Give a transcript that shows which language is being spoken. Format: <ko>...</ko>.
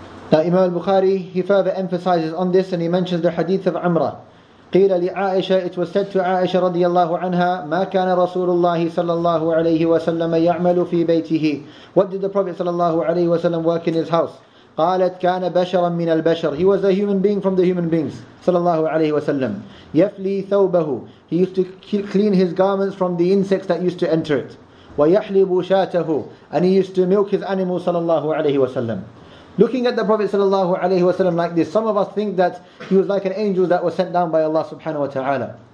<en>Now Imam al-Bukhari, he further emphasizes on this and he mentions the hadith of Umrah.</en> <ar>قيل لعائشة,</ar> <en>it was said to</en> <ar>عائشة رضي الله عنها, ما كان رسول الله صلى الله عليه وسلم يعمل في بيته.</ar> <en>What did the Prophet صلى الله عليه وسلم work in his house?</en> <ar>قالت كان بشرا من البشر.</ar> <en>He was a human being from the human beings, صلى الله عليه وسلم.</en> <ar>يفلي ثوبه.</ar> <en>He used to clean his garments from the insects that used to enter it.</en> <ar>ويحلب شاته.</ar> <en>And he used to milk his animals, صلى الله عليه وسلم. Looking at the Prophet sallallahu alaihi wasallam like this, some of us think that he was like an angel that was sent down by Allah subhanahu wa ta'ala.</en>